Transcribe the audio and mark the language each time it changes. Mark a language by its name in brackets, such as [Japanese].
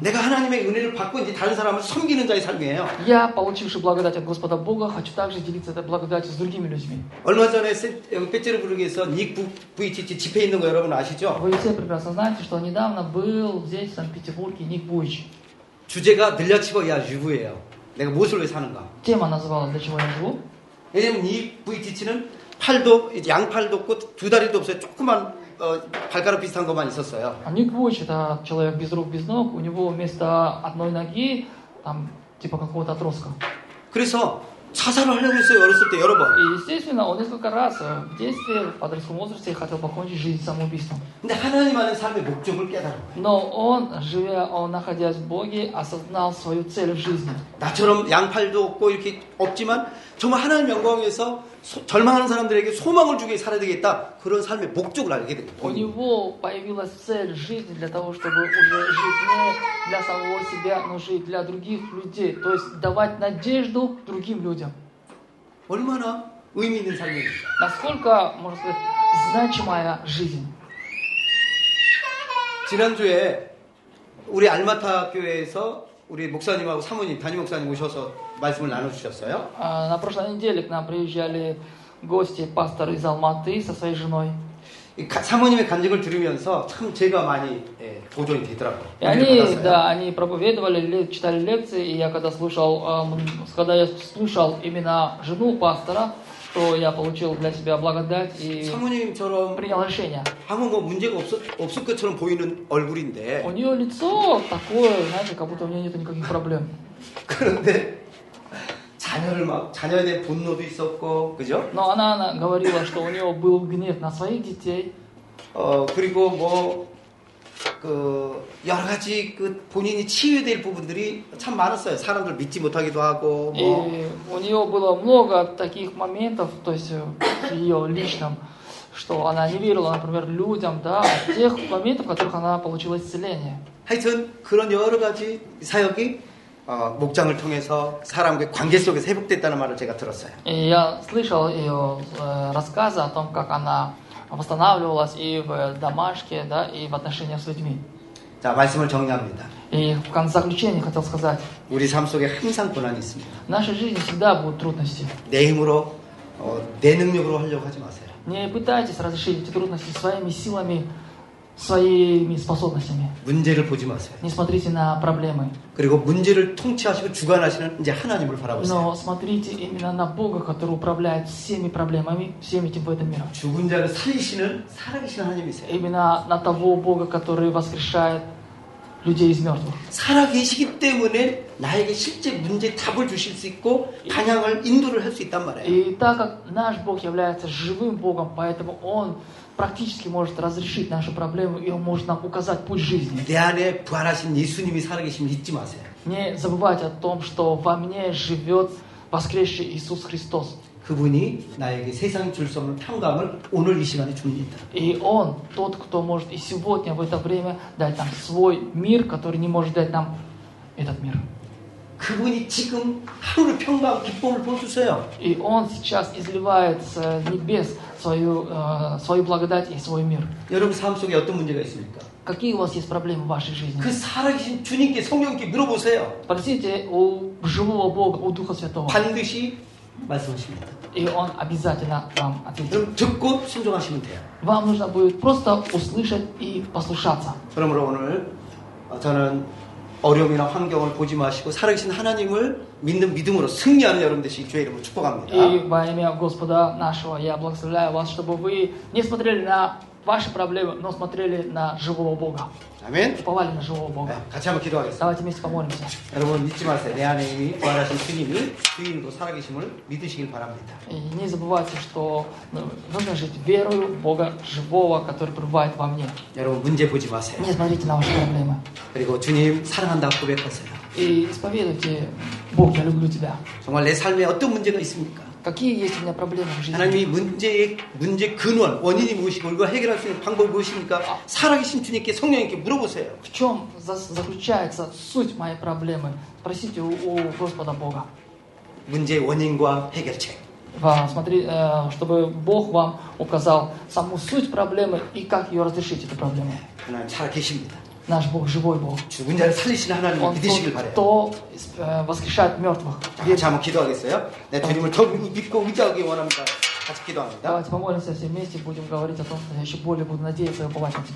[Korean] 내가 하나님의 은혜를 받고 이제 다른 사람을 섬기는 자의 삶이에요. [Russian] Я, получивший благодать от Господа Бога, хочу также делиться этой благодатью с другими людьми. [Korean] 얼마 전에 Петербурге에서 Ник Вуйчич 집회 있는 거 여러분 아시죠? [Russian] Вы все прекрасно знаете, что недавно был здесь, в Санкт-Петербурге, Ник Вуйчич. [Korean] 주제가 늘려치고 야 유부예요. 내가 무엇을 위해 사는가? [Russian] Тема называлась «Для чего я живу?» [Korean] 왜냐면 Ник Вуйчич는 팔도 이제 양팔도 없고 두 다리도 없어요. 조그만 발가락 비슷한 것만 있었어요. 아니 그것이 다 [Russian] человек без рук без ног. У него вместо одной ноги там типа какого-то отростка. [Korean] 그래서 자살을 하려고 했어요 어렸을 때 여러 번. 이 세스나 어렸을 때 받았을 [Russian] возрасте хотел покончить жизнь самоубийством. [Korean] 근데 하나님 안에 삶의 목적을 깨달아. [Russian] Но он живя, он находясь в Боге, осознал свою цель в жизни. [Korean] 나처럼 양팔도 없고 이렇게 없지만 정말 하나님 영광에서 절망하는 사람들에게 소망을 주기 위해 살아야 되겠다 그런 삶의 목적을 알게 된 거예요. [Russian] У него появилась цель жизни для того, чтобы уже жить не для самого себя, но жить для других людей, то есть давать надежду другим людям. [Korean] 얼마나 의미 있는 삶이에요? [Russian] Насколько, можно сказать, значимая жизнь? [Korean] 지난주에 우리 알마타 교회에서 우리 목사님하고 사모님, 담임 목사님 오셔서 말씀을 나눠 주셨어요. [Russian] 아, на прошлой неделе к нам приезжали гости, пастор из Алматы со своей женой. [Korean] 사모님의 간증을 들으면서 참 제가 많이 도전이 되더라고요. [Russian] 아니, да, они проповедовали, читали лекции, и я когда слушал, когда я слушал именно жену пастора, то я получил для себя благодать и [Korean] 사모님처럼 [Russian] принял решение. [Korean] 아무 뭐 문제가 없을 것처럼 보이는 얼굴인데. [Russian] У нее лицо такое, знаете, как будто у нее нет никаких проблем. [Korean] 그런데 자녀를 막 자녀에 대한 분노도 있었고, 그죠? [Russian] Но она говорила, что у нее был гнев на своих детей. [Korean] 그리고 뭐 그 여러 가지 그 본인이 치유될 부분들이 참 많았어요. 사람들 믿지 못하기도 하고. 예, 뭐. [Russian] у нее было много таких моментов, то есть ее личном, что она не верила, например, людям, да, тех моментов, которых она получила исцеление. [Korean] 하여튼 그런 여러 가지 사역이 목장을 통해서 사람과의 관계 속에 회복됐다는 말을 제가 들었어요. [Russian] 예, я слышал ее рассказы о том, как она восстанавливалась и в домашке, да, и в отношениях с людьми. [Korean] 자, 말씀을 정리합니다. [Russian] И в конце заключения хотел сказать. [Korean] 우리 삶 속에 항상 고난이 있습니다. [Russian] В нашей жизни всегда будут трудности. [Korean] 내 힘으로, 내 능력으로 하려고 하지 마세요. [Russian] Не пытайтесь разрешить эти трудности своими силами, своими способностями. [Korean] 문제를 보지 마세요. [Russian] Не смотрите на проблемы. [Korean] 그리고 문제를 통치하시고 주관하시는 이제 하나님을 바라보세요. [Russian] Но смотрите именно на Бога, который управляет всеми проблемами, всеми этим в этом мире. [Korean] 죽은 자를 살리시는 살아계신 하나님이세요. [Russian] Именно на того Бога, который воскрешает людей из мертвых. [Korean] 살아계시기 때문에 나에게 실제 문제 답을 주실 수 있고 방향을 인도를 할 수 있단 말이에요. [Russian] И так как наш Бог является живым Богом, поэтому Он практически может разрешить нашу проблему, и он может нам указать путь жизни. [Korean] 내 안에 부활하신 예수님이 살아계심을 잊지 마세요. [Russian] Не забывайте о том, что во мне живет воскресший Иисус Христос. [Korean] 그분이 나에게 세상 줄 수 없는 평강을 오늘 이 시간에 주십니다. [Russian] И он тот, кто может и сегодня в это время дать нам свой мир, который не может дать нам этот мир. [Korean] 그분이 지금 하루를 평강 기쁨을 부어주세요. [Russian] И он сейчас изливает с небес свою благодать и свой мир. [Korean] 여러분 삶 속에 어떤 문제가 있습니까? [Russian] Какие у вас есть проблемы в вашей жизни? [Korean] 그 살아계신 주님께 성령께 물어보세요. [Russian] Просите у живого Бога, у Духа Святого. [Korean] 반드시 말씀하십니다. [Russian] И он обязательно вам ответит. [Korean] 그럼 듣고 순종하시면 돼요. [Russian] Вам нужно будет просто услышать и послушаться. [Korean] 그러므로 오늘 저는 어려움이나 환경을 보지 마시고 살아계신 하나님을 믿는 믿음으로 승리하는 여러분 되시길 주의 이름으로 축복합니다. [Russian] 이 во имя Господа нашего я благословляю вас, чтобы вы не смотрели на ваши проблемы, но смотрели на живого Бога. [Korean] 아멘. 우리 [Russian] на живого Бога. [Korean] 같이 한번 기도하겠습니다. [Russian] Давайте вместе помолимся. [Korean] 여러분 믿지 마세요. 내 안에 이미 부활하신 주님이 주인으로 살아계심을 믿으시길 바랍니다. [Russian] Не забывайте, что нужно жить верою в Бога живого, который пребывает во мне. [Korean] 여러분 문제 보지 마세요. [Russian] Не смотрите на ваши проблемы. [Korean] 그리고 주님 사랑한다고 고백하세요. [Russian] И исповедуйте: Бог, я люблю тебя. [Korean] 정말 내 삶에 어떤 문제가 있습니까? [Russian] Какие есть у меня проблемы в жизни? [Korean] 하나님이 문제 근원, 원인이 무엇이고 이거 해결할 수 있는 방법이 무엇입니까? 살아계신 주님께 성령님께 물어보세요. [Russian] В чем заключается суть моей проблемы? Спросите у Господа Бога. [Korean] 문제의 원인과 해결책. [Russian] Чтобы Бог вам указал саму суть проблемы и как ее разрешить, эту проблему. [Korean] 하나님 살아계십니다. [Russian] Наш Бог живой Бог. [Korean] 죽은 자를 살리시는 하나님 믿으시길 바래요. 또 [Russian] воскрешает мертвых. [Korean] 같이 한번 기도하겠어요? 내 주님을 더 믿고 의지하기 원합니다. 같이 기도합니다. [Russian] Давайте помолимся все вместе, будем говорить о том, что я еще более буду надеяться и уповать на тебя.